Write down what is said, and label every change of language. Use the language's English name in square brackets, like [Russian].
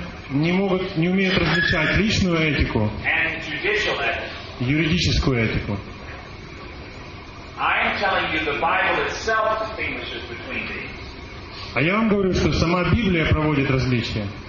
[Russian] не умеют различать личную этику [English] and judicial ethics. [Russian] Юридическую этику. [English] I am telling you the Bible itself distinguishes between these. [Russian] А я вам говорю, что сама Библия проводит различия.